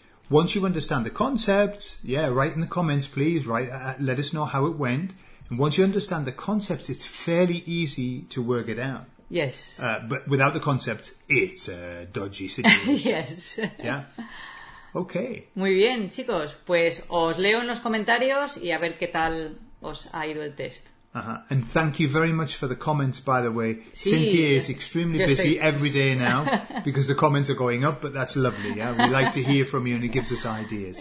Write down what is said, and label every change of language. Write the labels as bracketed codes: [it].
[en] Once you understand the concepts, yeah, write in the comments, please. Let us know how it went. And once you understand the concepts, it's fairly easy to work it out. Yes. But without the concepts, it's a dodgy situation. Yes. Yeah. Okay. [es] Muy bien, chicos. Pues os leo en los comentarios y a ver qué tal os ha ido el test. Uh-huh. [en] And thank you very much for the comments, by the way. [es] Sí, [en] Cynthia is extremely busy every day now because the comments are going up, but that's lovely. Yeah? We like to hear from you and it gives us ideas.